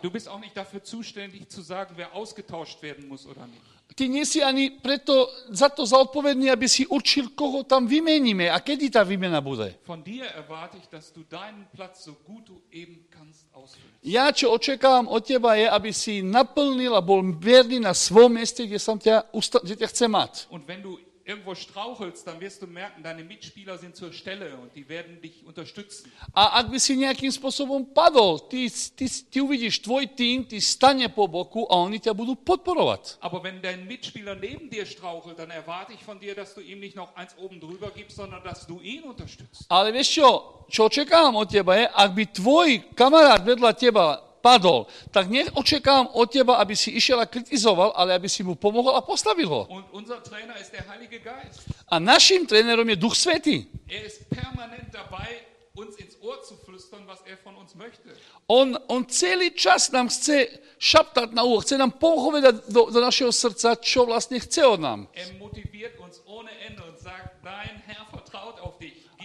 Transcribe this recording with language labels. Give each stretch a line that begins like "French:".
German: Du bist auch nicht dafür zuständig zu sagen, wer ausgetauscht werden muss oder nicht.
Slovak: Ty nie si ani preto za to zodpovedný, aby si určil, koho tam vymeníme a kedy tá výmena bude.
German: Von dir erwarte ich, dass du deinen Platz so gut du eben kannst ausfüllen.
Slovak: Ja, čo očakávam od teba je, aby si naplnil a bol verný na svojom mieste, kde ťa chce mať.
German: Und wenn du irgendwo strauchelst, dann wirst du merken, deine Mitspieler sind zur Stelle und die werden dich unterstützen.
Slovak: A ak by si nejakým spôsobom padol, ty uvidíš, tvoj tým ti stane po boku a oni ťa budú podporovať.
German: Aber wenn dein Mitspieler neben dir strauchelt, dann erwarte ich von dir, dass du ihm nicht noch eins oben drüber gibst, sondern dass du ihn unterstützt.
Slovak: Ale vieš čo, čo očakávam od teba je, ak by tvoj kamarát vedľa teba padol, tak neočekávam od teba, aby si išiel a kritizoval, ale aby si mu pomohol a postavil ho.
German: Und unser Trainer ist der Heilige Geist.
Slovak: A našim trénerom je Duch Svätý.
German: Er ist permanent dabei, uns ins Ohr zu flüstern, was er von uns möchte.
Slovak: On celý čas nám chce šaptať na ucho, chce nám povedať do našeho srdca, čo vlastne chce od nám.
German: Er motiviert uns ohne Ende und sagt, dein Herr vertraut auf dich.